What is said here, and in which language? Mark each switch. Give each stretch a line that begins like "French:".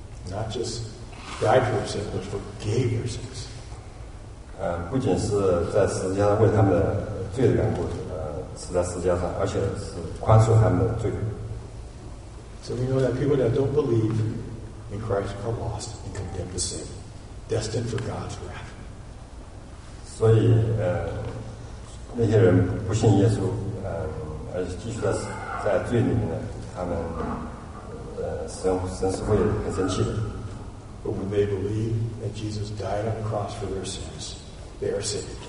English: Not just died for sins, but forgave their sins.
Chinese: 不仅是在十字架上为他们的罪的缘故，死在十字架上，而且是宽恕他们的罪。
English: So we know that people that don't believe in Christ are lost and condemned to sin, destined for God's wrath.
Chinese: 所以那些人不信耶稣，而继续在罪里面的，他们神是会很生气的。
English: But when they believe that Jesus died on the cross for their sins, they are saved.